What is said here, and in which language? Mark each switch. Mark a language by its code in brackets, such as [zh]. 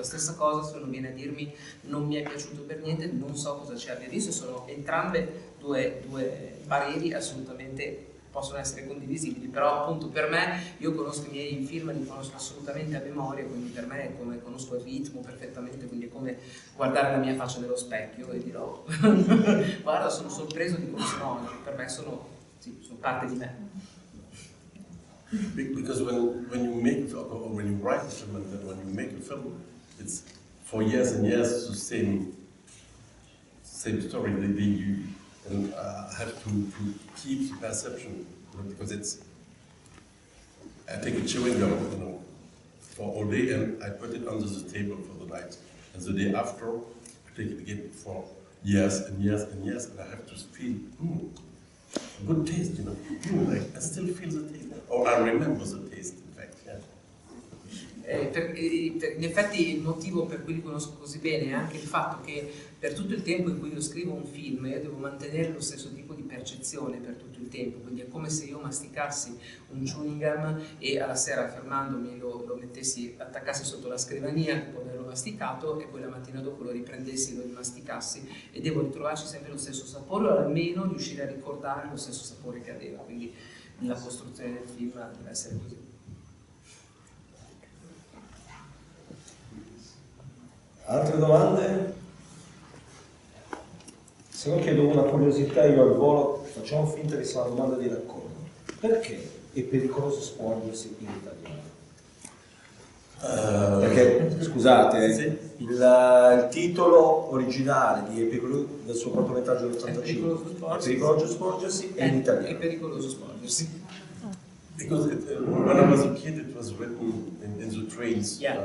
[it] La stessa cosa se uno viene a dirmi non mi è piaciuto per niente, non so cosa ci abbia visto, sono entrambe due pareri assolutamente possono essere condivisibili, però appunto per me, io conosco i miei film, li conosco assolutamente a memoria, quindi per me è come conosco il ritmo perfettamente, quindi è come guardare la mia faccia nello specchio e dirò guarda, sono sorpreso di come sono oggi, per me sono, sì, sono parte di me. [en] Because when you make or when you write a film and then when you make a film, it's for years and years the same story that you and have to keep the perception, because it's, I think, a chewing gum, you know. for all day, and I put it under the table for the night. And the day after, I take it again for years and years and years, and I have to feel good taste, you know. Like, I still feel the taste, or I remember the taste, in fact. Yeah. [it] In effetti il motivo per cui li conosco così bene è anche il fatto che per tutto il tempo in cui io scrivo un film io devo mantenere lo stesso tipo di percezione per tutto il tempo, quindi è come se io masticassi un chewing gum e alla sera fermandomi lo mettessi, attaccassi sotto la scrivania dopo averlo masticato e poi la mattina dopo lo riprendessi e lo rimasticassi e devo ritrovarci sempre lo stesso sapore o almeno riuscire a ricordare lo stesso sapore che aveva, quindi la costruzione del film deve essere così. Altre domande? Se non chiedo una curiosità io al volo, facciamo finta che sia una domanda di raccordo. Perché è pericoloso spogliarsi in italiano? Perché, scusate, sì. il titolo originale di del suo cortometraggio del 85 è pericoloso spogliarsi in italiano. È pericoloso spogliarsi. [en] Because when I was a kid, it was written in the trains.